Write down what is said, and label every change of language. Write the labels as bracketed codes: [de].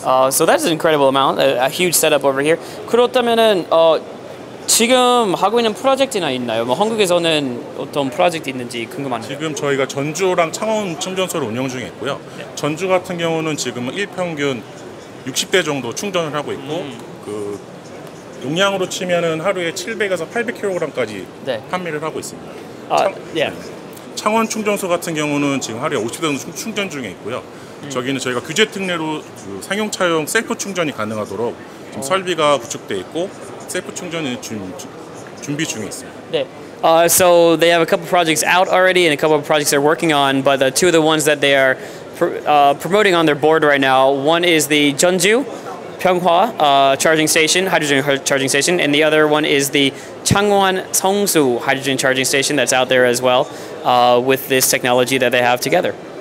[en] So that's an incredible amount, a huge setup over here. [ko] 그렇다면은 지금 하고 있는 프로젝트나 있나요? 뭐 한국에서는 어떤 프로젝트 있는지 궁금합니다. 지금 저희가 전주랑 창원 충전소를 운영 중에 있고요. 네. 전주 같은 경우는 지금 일평균 60대 정도 충전을 하고 있고 그 용량으로 치면은 하루에 700에서 800kg까지 네. 판매를 하고 있습니다. 창원 충전소 같은 경우는 지금 하루에 50대 정도 충전 중에 있고요. 저기는 저희가 규제 특례로 상용차용 셀프 충전이 가능하도록 지금 설비가 구축돼 있고 셀프 충전이 준비 중에 있습니다. 네. [en] So they have a couple projects out already and a couple of projects they're working on, but the two of the ones that they are promoting on their board right now, one is the Jeonju Pyeonghwa charging station, hydrogen charging station, and the other one is the Changwon Seongsu hydrogen charging station that's out there as well with this technology that they have together.